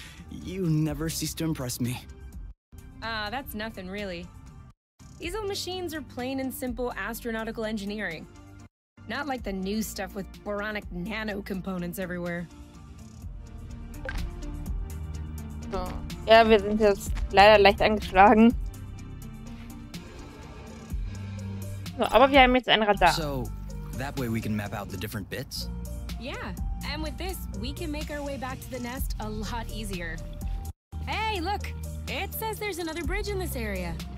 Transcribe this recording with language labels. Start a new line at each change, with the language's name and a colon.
English: You never cease to impress me. That's nothing, really. These old machines are plain and simple astronautical engineering. Not like the new stuff with boronic nano components everywhere. So.
German: Ja, wir sind jetzt leider leicht angeschlagen. So, aber wir haben jetzt ein Radar.
English: So, that way we can map out the different bits? Yeah, and with this, we can make our way back to the nest a lot easier. Hey, look! It says there's another bridge in this area.